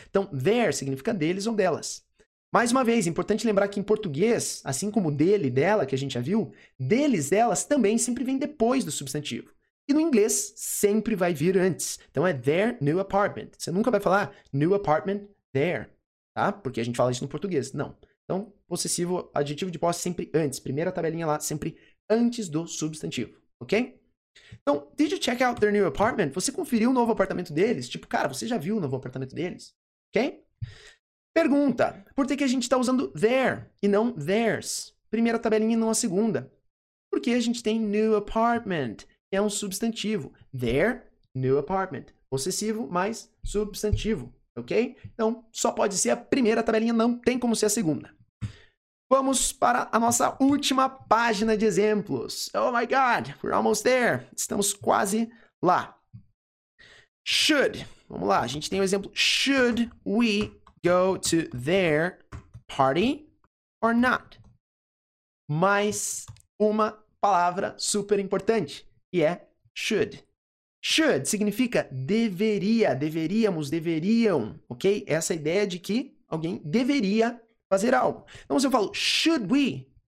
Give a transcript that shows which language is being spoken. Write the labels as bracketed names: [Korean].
[Portuguese] Então, their significa deles ou delas. Mais uma vez, importante lembrar que em português, assim como dele e dela, que a gente já viu, deles, delas, também sempre vem depois do substantivo. E no inglês, sempre vai vir antes. Então, é [English] their new apartment. [Portuguese] Você nunca vai falar [English] new apartment there, [Portuguese] tá? Porque a gente fala isso no português. Não. Então, possessivo, adjetivo de posse, sempre antes. Primeira tabelinha lá, sempre antes do substantivo, ok? Então, [English] did you check out their new apartment? [Portuguese] Você conferiu o novo apartamento deles? Tipo, cara, você já viu o novo apartamento deles? Ok? Pergunta. Por que a gente está usando their e não theirs? Primeira tabelinha e não a segunda. Porque a gente tem new apartment, que é um substantivo. [English] Their new apartment. [Portuguese] Possessivo mais substantivo. Ok? Então, só pode ser a primeira tabelinha, não tem como ser a segunda. Vamos para a nossa última página de exemplos. [English] Oh my God, we're almost there. [Portuguese] Estamos quase lá. Should. Vamos lá, a gente tem o exemplo. [English] Should we go to their party or not? [Portuguese] Mais uma palavra super importante, que é should. Should significa deveria, deveríamos, deveriam, ok? Essa ideia de que alguém deveria fazer algo. Então, se eu falo, [English] should we?